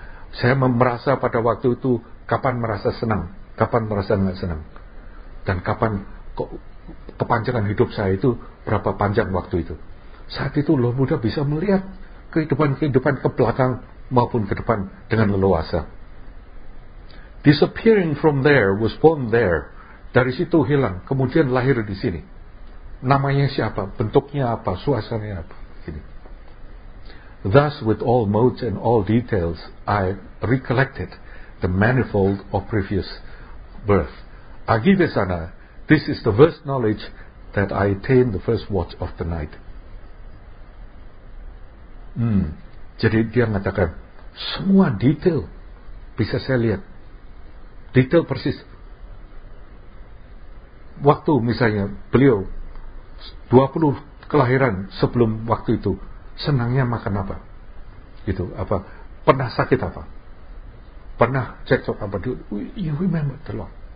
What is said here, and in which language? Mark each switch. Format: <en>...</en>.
<id>Saya merasa pada waktu itu kapan merasa senang, kapan merasa enggak senang, dan kapan kepanjangan hidup saya itu berapa panjang waktu itu. Saat itu Lord Buddha bisa melihat kehidupan-kehidupan ke belakang maupun ke depan dengan leluasa.</id> <en>Disappearing from there was born there.</en> <id>Dari situ hilang, kemudian lahir di sini. namanya siapa, bentuknya apa, suasananya apa. Gini.</id> <en>Thus with all modes and all details I recollected the manifold of previous birth. Agivesana, this is the first knowledge that I attained the first watch of the night.</en> <id>Jadi dia mengatakan semua detail bisa saya lihat, detail persis. Waktu misalnya beliau 20 kelahiran sebelum waktu itu, senangnya makan apa, gitu, apa pernah sakit apa, pernah cekcok apa,</id> <en>you remember the law.</en>